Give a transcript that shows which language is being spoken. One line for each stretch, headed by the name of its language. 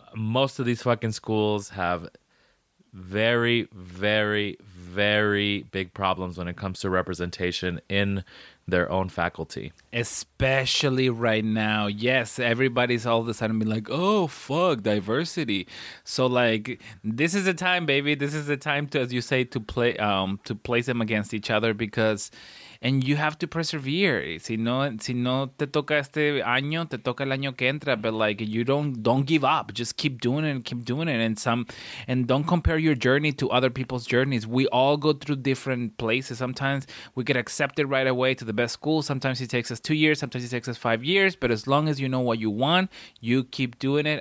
English: Most of these fucking schools have very, very, very big problems when it comes to representation in their own faculty. Especially right now. Yes, everybody's all of a sudden being like, oh, fuck, diversity. So, like, this is the time, baby. This is the time to, as you say, to play them against each other because And you have to persevere.
Spanish: Si no te toca este año, te toca el año que entra.
English: But like, you don't give up. Just keep doing it. And don't compare your journey to other people's journeys. We all go through different places. Sometimes we get accepted right away to the best school. Sometimes it takes us 2 years. Sometimes it takes us 5 years. But as long as you know what you want, you keep doing it.